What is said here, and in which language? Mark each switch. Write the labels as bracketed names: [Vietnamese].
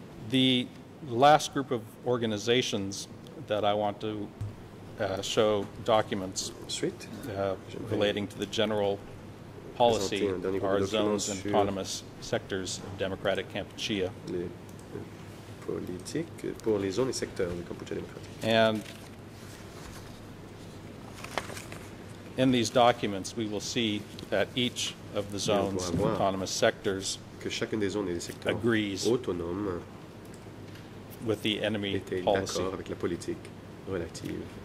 [English] The last group of organizations that I want to show documents relating to the general policy are zones and autonomous sectors of Democratic Kampuchea. [French] Pour les zones et secteurs de Kampuchea démocratique. [English] And in these documents, we will see that each of the zones and autonomous sectors [French] que chacune des zones et des secteurs [English] agrees [French] autonomes [English] with the enemy policy. [French] D'accord avec la politique relative.